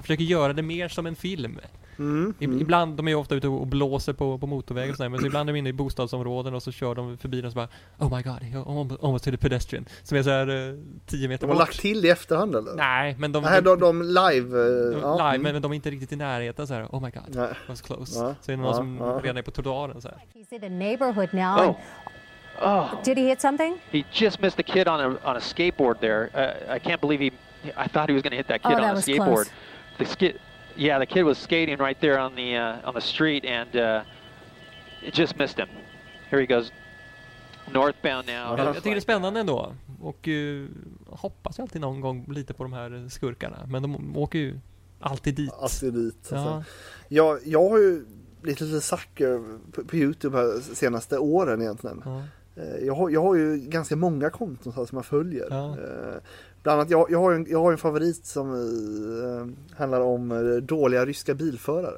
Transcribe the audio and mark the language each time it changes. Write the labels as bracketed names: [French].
[Swedish] Försöker göra det mer som en film. Ibland, de är ju ofta ute och blåser på motorvägen och sådär, men så ibland är de inne i bostadsområden och så kör de förbi den och så bara [English] oh my god, almost hit a pedestrian, [Swedish] som är såhär 10 meter bort. De har lagt till i efterhand eller? Nej, men de live, men de är inte riktigt i närheten såhär, [English] oh my god, it was close. [Swedish] Så är det någon som redan är på trottoaren såhär. [English] He's in the neighborhood now. Oh. Did he hit something? He just missed the kid on a skateboard there. I can't believe I thought he was going to hit that kid on a skateboard. Close. The kid was skating right there on the street and it just missed him. Here he goes northbound now. [Swedish] Jag tycker det är spännande ändå. Och hoppas jag alltid någon gång lite på de här skurkarna, men de åker ju alltid dit. Alltid dit. Ja. Alltså. Jag har ju lite sucker på YouTube här senaste åren egentligen. Ja. Jag har ju ganska många konton som jag följer. Ja. Bland annat, jag har en favorit som handlar om dåliga ryska bilförare.